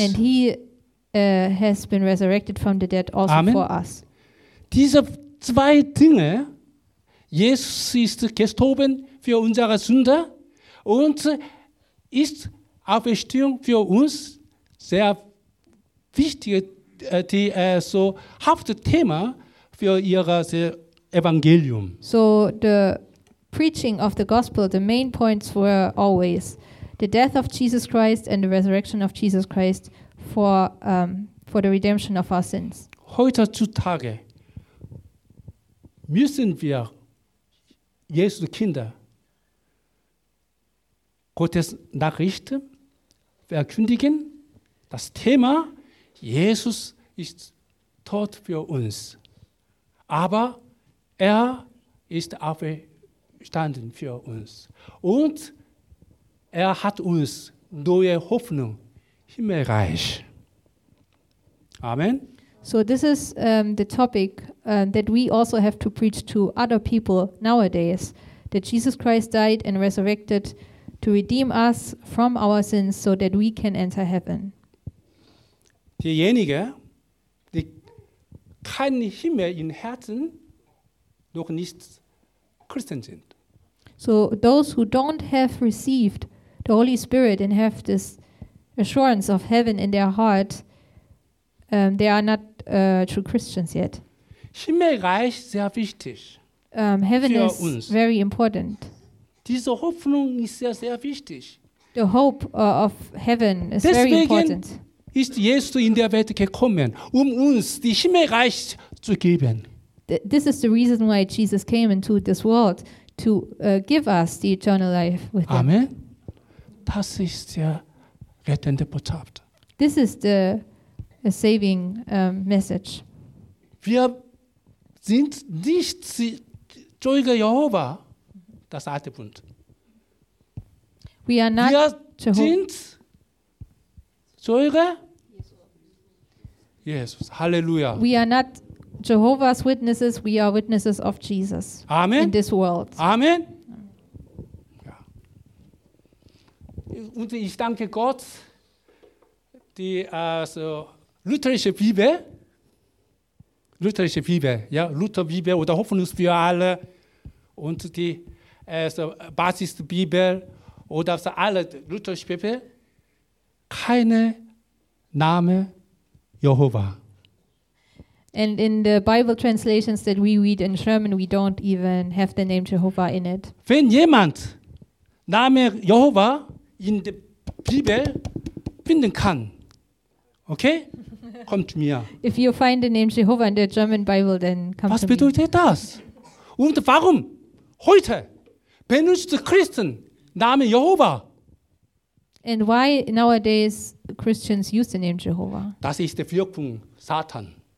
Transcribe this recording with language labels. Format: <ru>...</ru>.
<en>And he has been resurrected from the dead also Amen. For us.</en> <de>Diese zwei Dinge, Jesus ist gestorben für unsere Sünde und ist Auferstehung für uns sehr wichtige so Hauptthema für ihr Evangelium.</de> <en>So the preaching of the gospel, the main points were always the death of Jesus Christ and the resurrection of Jesus Christ for the redemption of our sins.</en> <de>Heutzutage müssen wir Jesu Kinder Gottes Nachrichten verkündigen, das Thema Jesus ist tot für uns, aber er ist auferstanden für uns. Und er hat uns neue Hoffnung, Himmelreich. Amen.</de> <en>So this is the topic that we also have to preach to other people nowadays, that Jesus Christ died and resurrected to redeem us from our sins so that we can enter heaven.</en> <de>Diejenigen, die kein Himmel in Herzen noch nicht Christen sind.</de> <en>So those who don't have received the Holy Spirit and have this assurance of heaven in their heart, they are not true Christians yet.</en> <de>Himmelreich sehr wichtig.</de> <en>Heaven is very important.</en> <de>Diese Hoffnung ist sehr, sehr wichtig.</de> <en>The hope of heaven is</en> <de>deswegen</de> <en>very important.</en> <de>Ist Jesus in der Welt gekommen, uns die Himmelreich zu geben.</de> <en>This is the reason why Jesus came into this world to give us the eternal life with him.</en> <de>Amen. Das ist der rettende Botschaft.</de> <en>This is the saving message.</en> <de>Wir sind nicht Zeuge Jehova, das alte Bund.</de> <en>We are not</en> <de>Wir sind Zeuge Jesus. Halleluja.</de> <en>We are not Jehovah's Witnesses, we are witnesses of Jesus. Amen. In this world.</en> <de>Amen. Ja. Und ich danke Gott, die also, lutherische Bibel, ja, Luther-Bibel oder Hoffnung für alle und die also, Basis-Bibel oder also, alle lutherische Bibel, keine Name Jehovah.</de> <en>And in the Bible translations that we read in German, we don't even have the name Jehovah in it.</en> <de>Wenn jemand Name Jehovah in der Bibel finden kann, okay, kommt mir.</de> <en>If you find the name Jehovah in the German Bible, then come</en> <de>Was</de> <en>to</en> <de>bedeutet</de> <en>me.</en> <de>Das? Und warum heute benutzt Christen Name Jehovah?</de> <en>And why nowadays Christians use the name Jehovah?</en> <de>Das ist der Wirkung Satan.</de>